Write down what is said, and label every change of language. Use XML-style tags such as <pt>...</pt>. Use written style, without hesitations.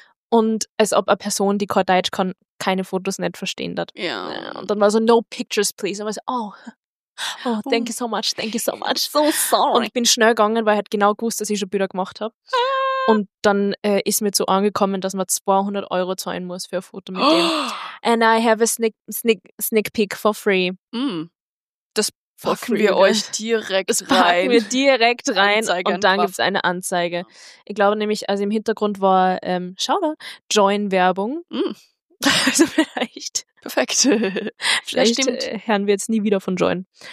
<de>Und als ob eine Person, die kein Deutsch kann, keine Fotos nicht verstehen hat. Ja. Und dann war so,</de> <en>no pictures, please.</en> <de>Und war so,</de> <en>oh, thank you so much. So sorry.</en> <de>Und ich bin schnell gegangen, weil ich halt genau gewusst, dass ich schon Bilder gemacht habe. Und dann ist mir so angekommen, dass man 200 Euro zahlen muss für ein Foto mit dem.</de> <en>And I have a sneak peek for free. Mm.</en> <de>Das packen wir euch direkt rein. Anzeige und dann gibt's eine Anzeige. Ich glaube nämlich, also im Hintergrund war, schau da, Join-Werbung. Mm. Also vielleicht. Perfekt. Vielleicht hören wir jetzt nie wieder von Join.</de>